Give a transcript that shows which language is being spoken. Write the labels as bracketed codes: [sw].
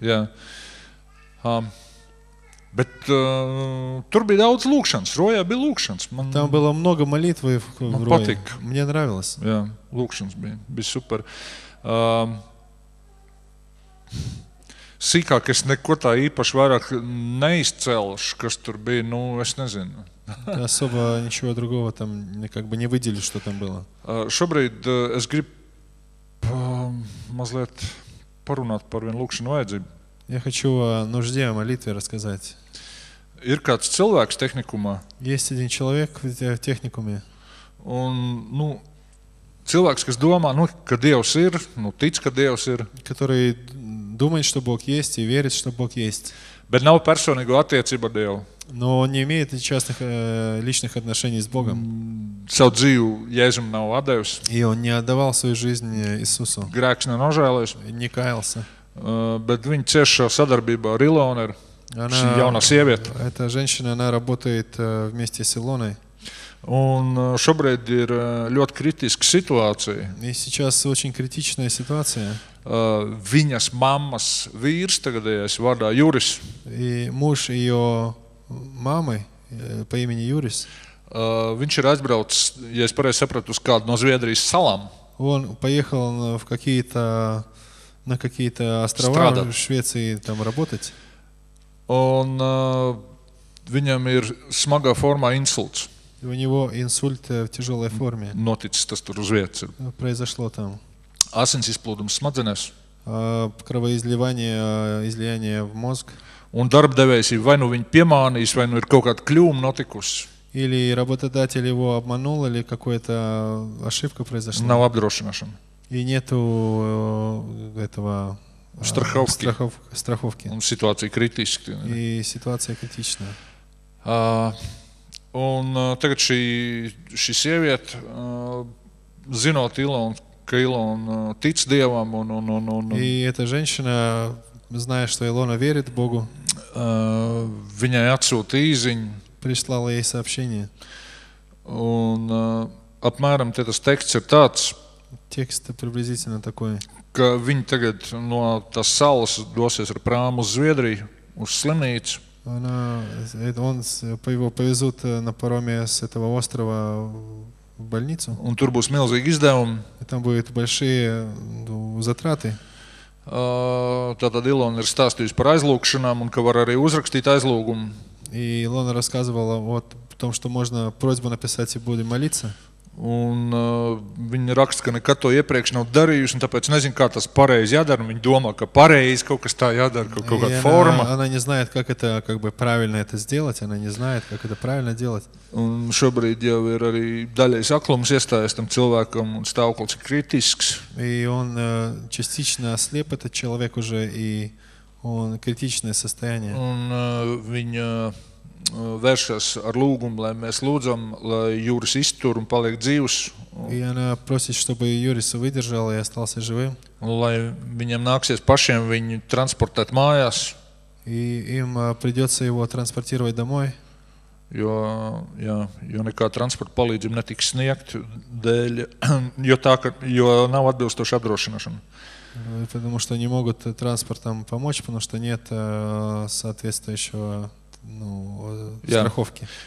[lv] Jā. Bet tur bija daudz lūkšanas, rojā bija lūkšanas. Man Tam bija [ru] много молитвы в [lv] рое. Man patika. [ru] Мне нравилось. [lv] Jā, lūkšanas bija super. Sīkāk es neko tā īpaši vairāk neizcelšu, kas tur bija, nu, es nezinu. [ru] Особо ничего другого там как бы не выделил, что там было. [lv] Šobrīd es gribu mazliet parunāt par vienu lūkšanu vajadzību. [ru] Я хочу о нужде о молитве рассказать. [lv] Ir kāds cilvēks tehnikumā. [ru] Есть один человек в техникуме. [lv] Un, nu, cilvēks, kas domā, nu, ka Dievs ir, nu, tic, ka Dievs ir. [ru] Который думает, что Бог есть, и верит, что Бог есть. [lv] Bet nav personīgo attiecību ar Dievu. [ru] Но он не имеет частных личных отношений с Богом. [lv] Savu dzīvi Jēzum nav atdevis. [ru] И он не отдавал свою жизнь Иисусу. Грекс не нажалось. Не каялся. [lv] Bet viņa cieš šo sadarbību ar Ilonu, šī jaunā sieviete. [ru] Эта женщина, она работает вместе с Илоной. [lv] Un šobrīd ir ļoti kritiska situācija. [ru] И сейчас очень критичная ситуация. [lv] Viņas mammas vīrs, tagadējais vārdā Juris. [ru] И муж ее мамы по имени Юрис. [lv] Viņš ir aizbraucis, ja es pareizi sapratu, uz kādu no Zviedrijas salām. [ru] Он поехал в какие-то на какие-то острова Страдат. В Швеции там работать. [lv] Он viņam ir smagā formā insults. [ru] У него инсульт в тяжёлой форме. [lv] Noticis tas tur uz vietas. [ru] Произошло там. [lv] Asins izplūdums smadzenēs. [ru] Кровоизливание в мозг. [lv] Un darbdevējs vai nu viņu piemānījis, vai nu ir kaut kāda kļūma notikusi. [ru] Или работодатель его обманул, или какая-то ошибка произошла. [lv] Nav apdrošināšana. [ru] И нету этого [lv] страховки. Un situācija kritiska. [ru] И ситуация критична. [lv] Un tagad šī sieviete, zinot Ilonu, ka Ilona tic Dievam un [ru] И эта женщина, зная, что Илона верит Богу, [lv] viņai atsūta īziņu, [ru] прислала ей сообщение. [lv] Un apmēram te tas teksts ir tāds, [ru] Текст приблизительно такой. [lv] Ka viņa tagad no tās salas dosies ar prāmu uz Zviedriju, uz slimnīcu. [ru] Его повезут на пароме с этого острова в больницу. [lv] Un tur būs milzīgi izdevumi. [ru] И там будут большие затраты. [lv] Tātad Ilona ir stāstījusi par aizlūkšanām un ka var arī uzrakstīt aizlūgumu. [ru] И Илона рассказывала о том, что можно просьбу написать и будем молиться. [lv] Un viņa raksta, ka nekad to iepriekš nav darījusi, un tāpēc nezin, kā tas pareizi jādara. Viņa domā, ka pareizi kaut kas tā jādara, kaut kāda forma. [ru] Она не знает, как это как бы правильно это сделать, она не знает, как это правильно делать. [lv] Un šobrīd jau ir arī daļais aklums iestājies tam cilvēkam, un stāvoklis ir kritisks. [ru] И он частично слеп этот человек уже, и он критичное состояние. [lv] Un viņa vēršas ar lūgumu, lai mēs lūdzam, lai Juris iztur un paliek dzīvs. [ru] И она просит, чтобы Юрис выдержал и остался живым. [lv] Lai viņam nāksies pašiem viņu transportēt mājās. [ru] И им придется его транспортировать домой. [lv] Jo nekā transporta palīdzība netiks sniegt, dēļ, jo nav atbilstoša apdrošināšana. [ru] Потому что не могут транспортом помочь, потому что нет соответствующего Ну, страховки.